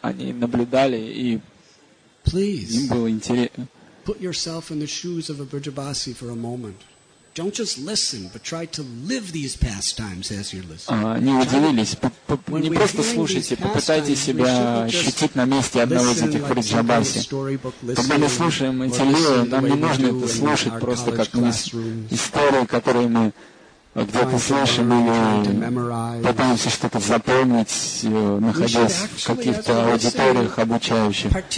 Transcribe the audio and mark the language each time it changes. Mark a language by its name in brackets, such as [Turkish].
[Russian] они наблюдали и им было интересно. [English] Put yourself in the shoes of a Brijabasi for a moment. Don't just listen, but try to live these pastimes as you're listening. [Russian] Не удивились, не просто слушайте, попытайтесь себя ощутить на месте одного из этих фриджабаси. Когда мы слушаем эти лилы, нам не нужно это слушать просто как истории, которые мы где-то слышим или пытаемся что-то запомнить, находясь в каких-то аудиториях обучающих.